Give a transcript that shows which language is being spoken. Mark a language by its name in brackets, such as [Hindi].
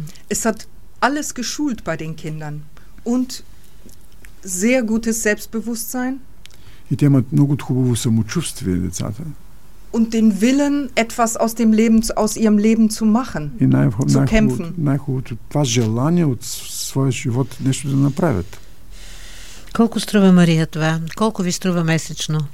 [German] Есат alles geschult bei den Kindern und sehr gutes Selbstbewusstsein. [Bulgarian] И те имат много хубаво самочувствие, децата. [German] Und den Willen, etwas aus dem Leben, aus ihrem Leben zu machen, zu kämpfen. [Bulgarian] Най-хубавото, това желание от своя живот нещо да направят. Колко струва, Мария, това? Колко ви струва месечно?